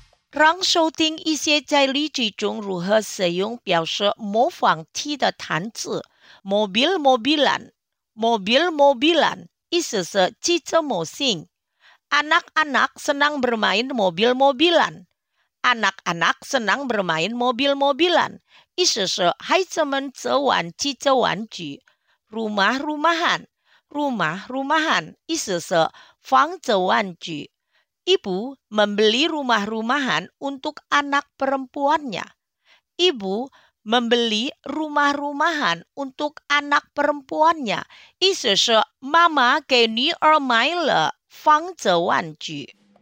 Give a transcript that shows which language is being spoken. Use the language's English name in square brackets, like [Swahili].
[Chinese] 让收听一些在例句中如何使用表示模仿体的单词。 [Indonesian] Mobil mobilan, mobil mobilan, [Chinese] 意思是汽车模型。 [Indonesian] Anak anak senang bermain mobil mobilan. Anak anak senang bermain mobil mobilan, [Chinese] 意思是孩子们喜欢汽车玩具。 [Indonesian] Rumah rumahan, rumah rumahan, [Chinese] 意思是房子玩具。 [Indonesian] Ibu membeli rumah-rumahan untuk anak perempuannya. Ibu membeli rumah-rumahan untuk anak perempuannya. [Chinese] 意思是妈妈给女儿买了房子玩具。